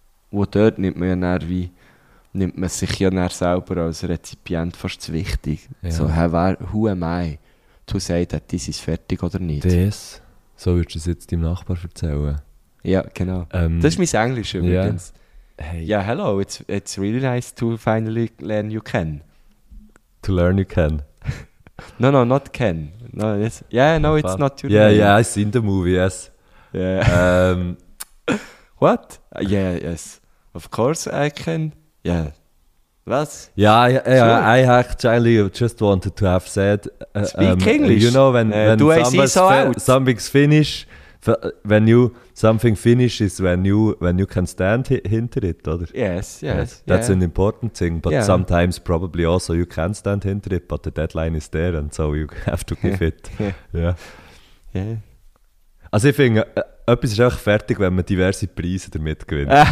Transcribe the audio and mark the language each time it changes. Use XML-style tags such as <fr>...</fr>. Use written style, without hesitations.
<de>Wo dort nimmt man sich ja dann selber als Rezipient fast zu wichtig.</de> <en>Ja. So, who am I to say that this is</en> <de>fertig oder nicht? Das? So würdest du es jetzt deinem Nachbar erzählen? Ja, genau. Das ist mein Englisch übrigens.</de> <en>Ja, hello, it's really nice to finally learn you can. To learn you can. No, no, not Ken. No, it's, yeah, no, it's not your yeah, name. Yeah, yeah, I've seen the movie, yes. Yeah. What? Yeah, yes. Of course I can. Yeah. Was? Yeah, I actually just wanted to have said... speak English. You know, when something's finished, when you... Something finishes when you can stand hinter it, oder? Yes, yes. That's an important thing, but sometimes probably also you can stand hinter it, but the deadline is there, and so you have to give it. Yeah.</en> <de>Also ich finde, etwas ist einfach fertig, wenn man diverse Preise damit gewinnt.</de>